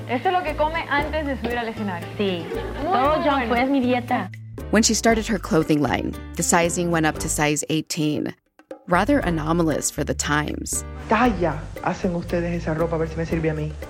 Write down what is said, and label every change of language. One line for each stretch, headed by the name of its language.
Spanish: Eso es lo que come antes de subir al escenario. Sí. Muy todo bueno. Junk food es mi dieta.
English: When she started her clothing line, the sizing went up to size 18. Rather anomalous for the times.
Spanish: Talla, hacen ustedes esa ropa a ver si me sirve a mí.